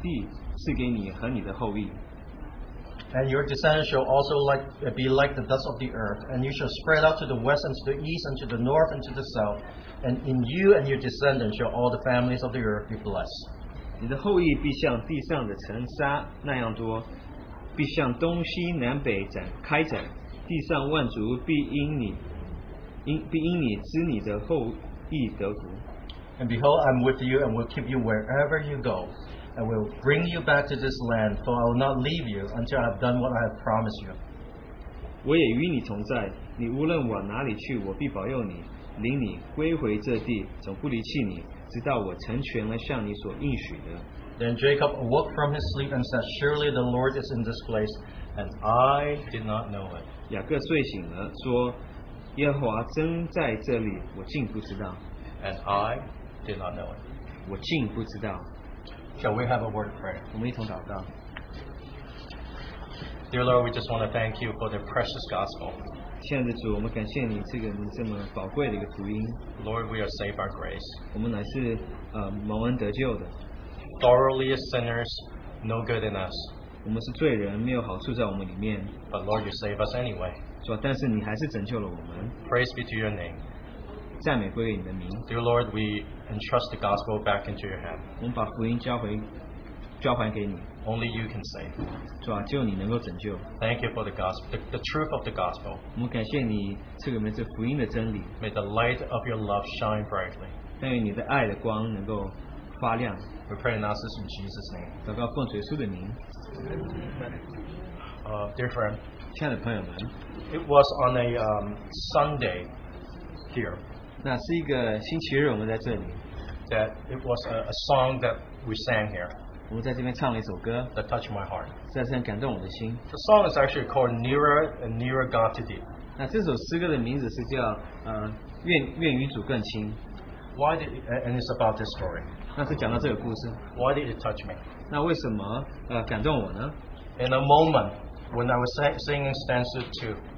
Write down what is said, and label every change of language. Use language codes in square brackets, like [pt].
[zh] 耶和华站在梯子以上说，我是耶和华，你主亚伯拉罕的神，也是以撒的神。我要将你现在所躺卧之地赐给你和你的后裔。 [en] And your descendants shall also be like the dust of the earth, and you shall spread out to the west and to the east and to the north and to the south, and in you and your descendants shall all the families of the earth be blessed. And behold, I'm with you and will keep you wherever you go. I will bring you back to this land, for I will not leave you until I have done what I have promised you. [zh] 我也与你同在，你无论往哪里去，我必保佑你，领你归回这地，总不离弃你，直到我成全了向你所应许的。 [en] Then Jacob awoke from his sleep and said, Surely the Lord is in this place, and I did not know it. [zh] 雅各睡醒了，说，耶和华真在这里，我竟不知道。 [en] And I did not know it. [zh] 我竟不知道。 [en] Shall we have a word of prayer? [zh] 我们一同祷告。 [en] Dear Lord, we just want to thank you for the precious gospel. [zh] 亲爱的主，我们感谢你这个你这么宝贵的一个福音。 [en] Lord, we are saved by grace. [zh] 我们乃是蒙恩得救的。 [en] Thoroughly as sinners, no good in us. [zh] 我们是罪人，没有好处在我们里面。 [en] But Lord, you save us anyway. [zh] 主，但是你还是拯救了我们。 [en] Praise be to your name. [zh] 赞美归给你的名。 [en] Dear Lord, we entrust the gospel back into your hand. [zh] 我们把福音交还给你。 [en] Only you can save. [zh] 主啊，只有你能够拯救。 [en] Thank you for the gospel, the truth of the gospel. [zh] 我们感谢你赐给我们这福音的真理。 [en] May the light of your love shine brightly. [zh] 愿你的爱的光能够发亮。 [en] We pray and ask this in Jesus' name. [zh] 祷告奉主耶稣的名。 [en] Dear friend, [zh] 亲爱的朋友们, [en] it was on a Sunday here. [zh] 那是一个星期日我们在这里, [en] that it was a song that we sang here. [zh] 我们在这边唱了一首歌, [en] that touched my heart. [zh] 这是很感动我的心。 [en] The song is actually called Nearer and Nearer God to Thee. [zh] 那这首诗歌的名字是叫, 愿与主更亲。 [en] Why did it, and it's about this story. [zh] 那是讲到这个故事。 [en] Why did it touch me? [zh] 那为什么, 感动我呢? [en] In a moment, when I was singing stanza 2,